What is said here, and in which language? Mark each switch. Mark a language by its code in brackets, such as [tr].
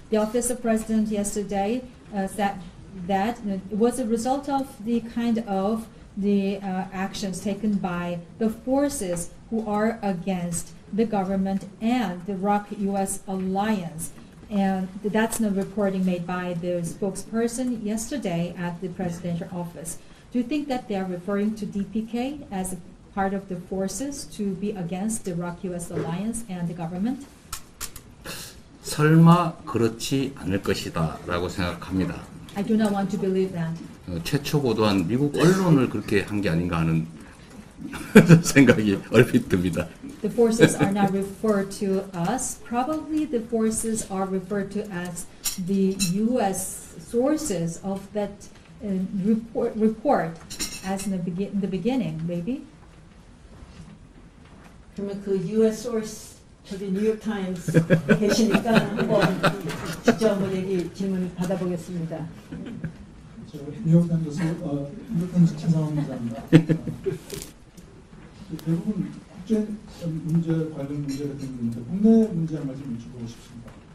[en] The office of president yesterday said that it was a result of the kind of the actions taken by the forces who are against the government and the ROC-US alliance. And that's the reporting made by the spokesperson yesterday at the presidential office. Do you think that they are referring to DPK as a part of the forces to be against the ROC-US alliance and the government? [ko] 설마 그렇지 않을 것이다 라고 생각합니다. [en] I do not want to believe that. [ko] 최초 보도한 미국 언론을 그렇게 한 게 아닌가 하는 생각이 얼핏 듭니다. [en] The forces are not referred to us. Probably the forces are referred to as the U.S. sources of that report as in the beginning, maybe. [ko] 그러면 그 U.S. source 저기 뉴욕타임스 계시니까 한번 직접 한번 얘기 질문을 받아보겠습니다. 저 뉴욕타임스 뉴욕타임스 최상원입니다. 대부분 국제 문제 관련 문제가 되는데 국내 문제에 한 가지 여쭤보고 싶습니다.